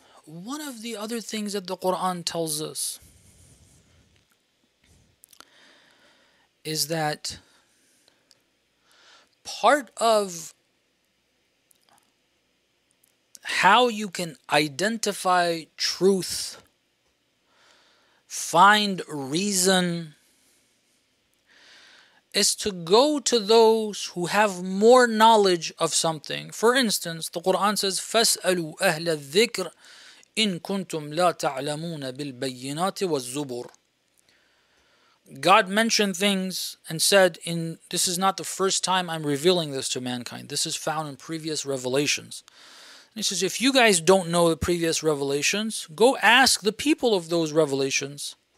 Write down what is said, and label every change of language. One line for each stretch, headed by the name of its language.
English: One of the other things that the Quran tells us is that part of how you can identify truth, find reason, is to go to those who have more knowledge of something. For instance, the Quran says,
Arabic: فَاسْأَلُوا أَهْلَ الذِّكْرِ إِن كُنْتُمْ لَا تَعْلَمُونَ بِالْبَيِّنَاتِ وَالزُّبُرِ.
English: God mentioned things and said, this is not the first time I'm revealing this to mankind. This is found in previous revelations. And he says, if you guys don't know the previous revelations, go ask the people of those revelations.